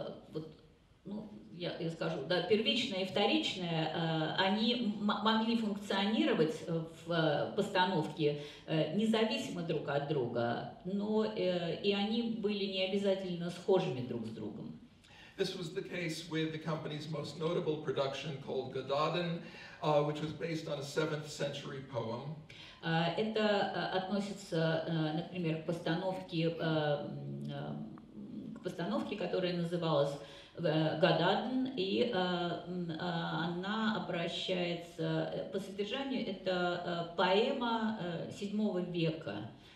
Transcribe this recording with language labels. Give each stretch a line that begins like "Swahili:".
Russian: Вот, ну, я скажу, да, первичное и вторичное, они могли функционировать в постановке независимо друг от друга, но и они были не обязательно схожими друг с другом.
English: This was the case with the company's most notable production called Gododdin, which was based on a 7th century poem.
Russian: Это относится, например, к постановке, которая называлась «Гададен», и она обращается по содержанию, это поэма VII века.